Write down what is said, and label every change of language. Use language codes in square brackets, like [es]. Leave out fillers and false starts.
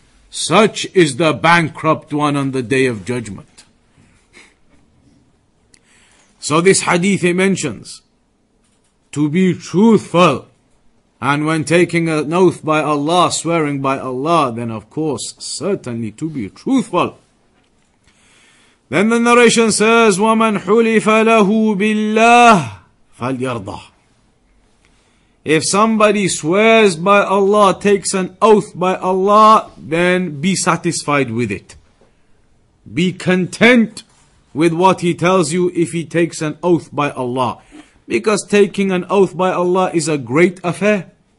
[en] Such is the bankrupt one on the Day of Judgment. So this hadith he mentions, to be truthful, and when taking an oath by Allah, swearing by Allah, then of course, certainly to be truthful. Then the narration says, [ar] وَمَنْ حُلِفَ لَهُ بِاللَّهِ فَلْيَرْضَى. [en] If somebody swears by Allah, takes an oath by Allah, then be satisfied with it. Be content with what he tells you if he takes an oath by Allah. Because taking an oath by Allah is a great affair.